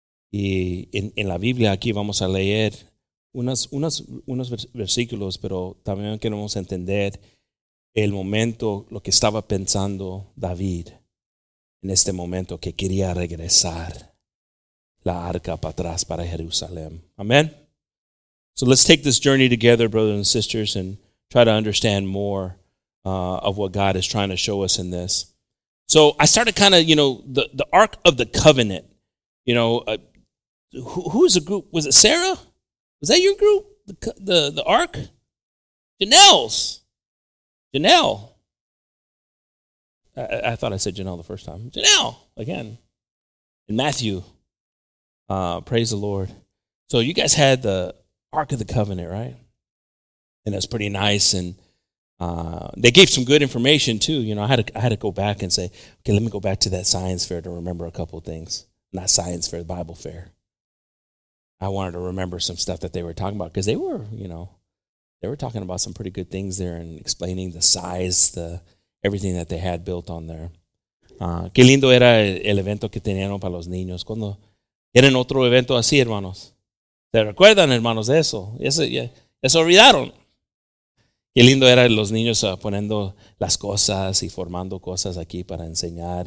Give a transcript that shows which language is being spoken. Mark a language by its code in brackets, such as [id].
[es] Y en la Biblia aquí vamos a leer unos versículos, pero también queremos entender el momento, lo que estaba pensando David en este momento, que quería regresar la arca para atrás para Jerusalén. Amen. [en] So let's take this journey together, brothers and sisters, and try to understand more of what God is trying to show us in this. So I started kind of, you know, the Ark of the Covenant. You know, who is the group? Was it Sarah? Was that your group? The Ark? Janelle's. Janelle. I thought I said Janelle the first time. Janelle, again. And Matthew. Praise the Lord. So you guys had the Ark of the Covenant, right? And that's pretty nice. And they gave some good information, too. You know, I had to go back and say, okay, let me go back to that science fair to remember a couple of things. Not science fair, Bible fair. I wanted to remember some stuff that they were talking about because they were, you know, they were talking about some pretty good things there and explaining the size, the everything that they had built on there. [es] Qué lindo era el evento que tenían para los niños. Cuando tienen otro evento así, hermanos. ¿Se recuerdan, hermanos, de eso? Eso olvidaron. Qué lindo era los niños poniendo las cosas y formando cosas aquí para enseñar.